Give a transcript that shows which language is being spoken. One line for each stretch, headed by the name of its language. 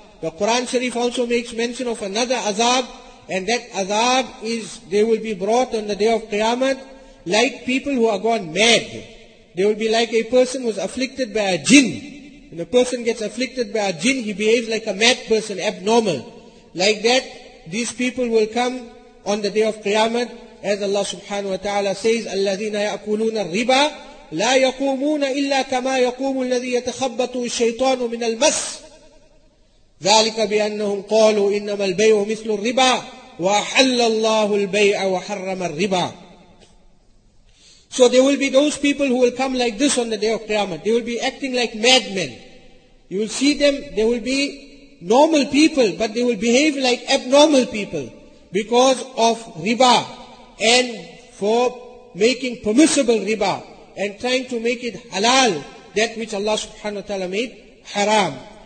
English: The Quran Sharif also makes mention of another azab, and that azab is, they will be brought on the day of Qiyamah, like people who are gone mad. They will be like a person who is afflicted by a jinn. When a person gets afflicted by a jinn, he behaves like a mad person, abnormal. Like that, these people will come on the day of Qiyamah, as Allah subhanahu wa ta'ala says,
Arabic: الَّذِينَ يَأْكُلُونَ الرِّبَى لَا يَقُومُونَ إِلَّا كَمَا يَقُومُ الَّذِي يَتَخَبَّطُهُ الشَّيْطَانُ مِنَ الْمَسِ ذَلِكَ بِأَنَّهُمْ قَالُوا إِنَّمَا الْبَيْعُ مِثْلُ الرِّبَى وَأَحَلَّ اللَّهُ الْبَيْعَ وَحَرَّمَ الرِّبَى.
English: So there will be those people who will come like this on the day of Qiyamah. They will be acting like madmen. You will see them, they will be normal people, but they will behave like abnormal people because of riba, and for making permissible riba, and trying to make it halal, that which Allah subhanahu wa ta'ala made haram.